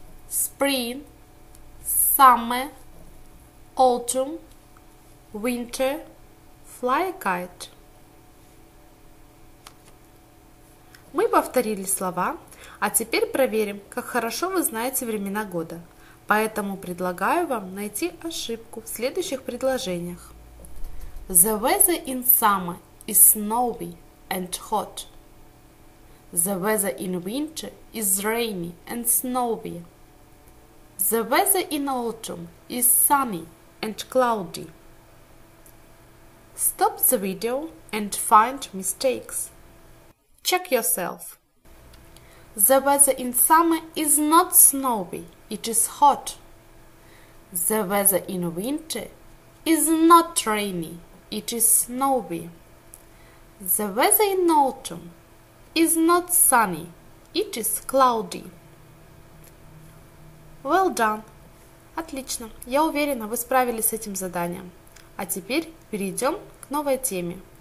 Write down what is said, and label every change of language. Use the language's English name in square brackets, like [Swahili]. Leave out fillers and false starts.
[English] Spring, summer, autumn, winter, fly kite. [Russian] Мы повторили слова, а теперь проверим, как хорошо вы знаете времена года. Поэтому предлагаю вам найти ошибку в следующих предложениях. [English] The weather in summer is snowy and hot. The weather in winter is rainy and snowy. The weather in autumn is sunny and cloudy. Stop the video and find mistakes. Check yourself. The weather in summer is not snowy, it is hot. The weather in winter is not rainy, it is snowy. The weather in autumn is not sunny, it is cloudy. Well done! [Russian] Отлично! Я уверена, вы справились с этим заданием. А теперь перейдем к новой теме.